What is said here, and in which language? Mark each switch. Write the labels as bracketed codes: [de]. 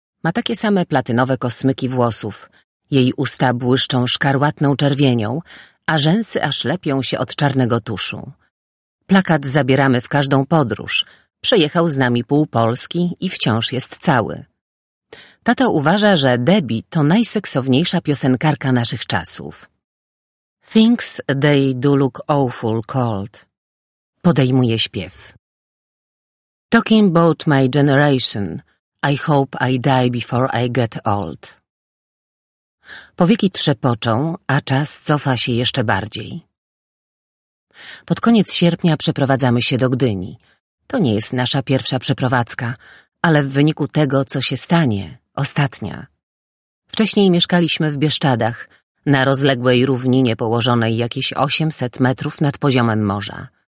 [pl] Ma takie same platynowe kosmyki włosów. Jej usta błyszczą szkarłatną czerwienią, a rzęsy aż lepią się od czarnego tuszu. Plakat zabieramy w każdą podróż. Przejechał z nami pół Polski i wciąż jest cały. Tata uważa, że Debbie to najseksowniejsza piosenkarka naszych czasów. [en] Things they do look awful cold. [pl] Podejmuje śpiew. [en] Talking about my generation, I hope I die before I get old. [pl] Powieki trzepoczą, a czas cofa się jeszcze bardziej. Pod koniec sierpnia przeprowadzamy się do Gdyni. To nie jest nasza pierwsza przeprowadzka, ale w wyniku tego, co się stanie, ostatnia. Wcześniej mieszkaliśmy w Bieszczadach, na rozległej równinie położonej jakieś 800 metrów nad poziomem morza.